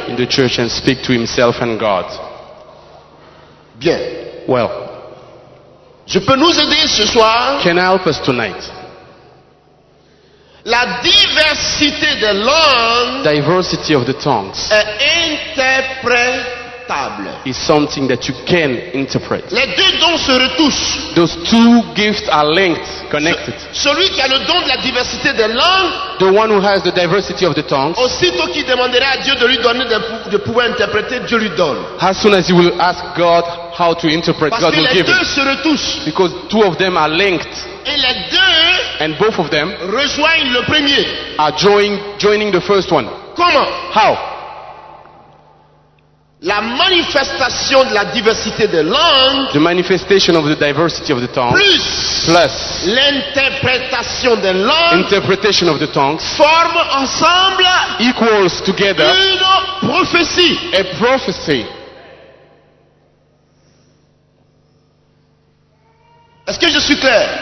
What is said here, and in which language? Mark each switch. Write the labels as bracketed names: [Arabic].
[English] In the church and speak to himself and God. [French] Bien. [English] Well. [French] Je peux nous aider ce soir? [English] Can I help us tonight? [French] La diversité des langues, [English] diversity of the tongues, [French] est interprétable. [English] Is something that you can interpret. [French] Les deux dons se retouchent. [English] Those two gifts are linked, connected. [French] Celui qui a le don de la diversité des langues, [English] the one who has the diversity of the tongues, [French] aussitôt qu'il demandera à Dieu de lui donner de pouvoir interpréter, Dieu lui donne. [English] As soon as he will ask God how to interpret, [French] parce [English] God will give [French] Parce que les deux se retouchent. [English] Because two of them are linked. [French] Et les deux, [English] and both of them, [French] rejoignent le premier, [English] are joining the first one. [French] Comment? [English] How? [French] La manifestation de la diversité des langues, [English] the manifestation of the diversity of the tongues, [French] plus l'interprétation des langues, [English] interpretation of the tongues, [French] forme ensemble, [English] equals together, [French] une prophétie, [English] a prophecy. [French] Est-ce que je suis clair?